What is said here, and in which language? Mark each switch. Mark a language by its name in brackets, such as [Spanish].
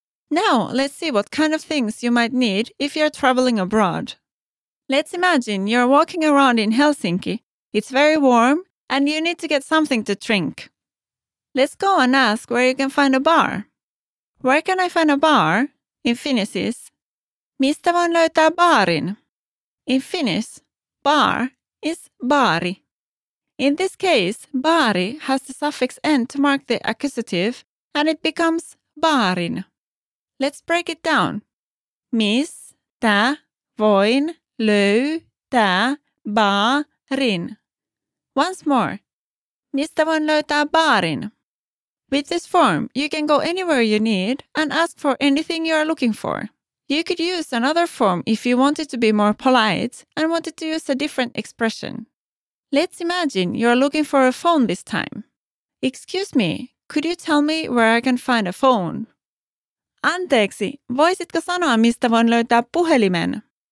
[English] Now, let's see what kind of things you might need if you're traveling abroad. Let's imagine you're walking around in Helsinki. It's very warm and you need to get something to drink. Let's go and ask where you can find a bar. Where can I find a bar? In Finnish is [Finnish] Mistä voin löytää baarin? [English] In Finnish, bar is baari. In this case, baari has the suffix en to mark the accusative and it becomes baarin. Let's break it down. [Finnish] Mistä voin löytää baarin? [English] Once more. [Finnish] Mistä voin löytää baarin? [English] With this form, you can go anywhere you need and ask for anything you are looking for. You could use another form if you wanted to be more polite and wanted to use a different expression. Let's imagine you are looking for a phone this time. Excuse me, could you tell me where I can find a phone? [Finnish] Anteeksi, voisitko sanoa, mistä voin löytää puhelimen?